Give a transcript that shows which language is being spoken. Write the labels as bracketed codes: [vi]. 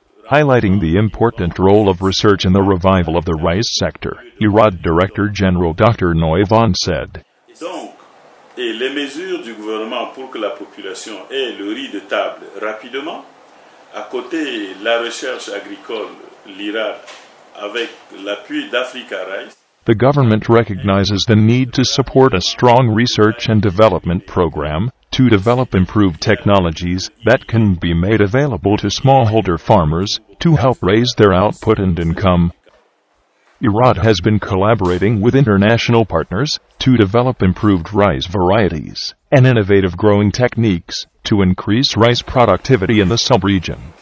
[en] Highlighting the important role of research in the revival of the rice sector, IRAD Director General Dr. Noivon said, [fr] "Donc, et les mesures du gouvernement pour que la population ait le riz de table rapidement, à côté la recherche agricole, l'IRAD, avec l'appui d'AfricaRice." [en] The government recognizes the need to support a strong research and development program to develop improved technologies that can be made available to smallholder farmers to help raise their output and income. IRAD has been collaborating with international partners to develop improved rice varieties and innovative growing techniques to increase rice productivity in the subregion.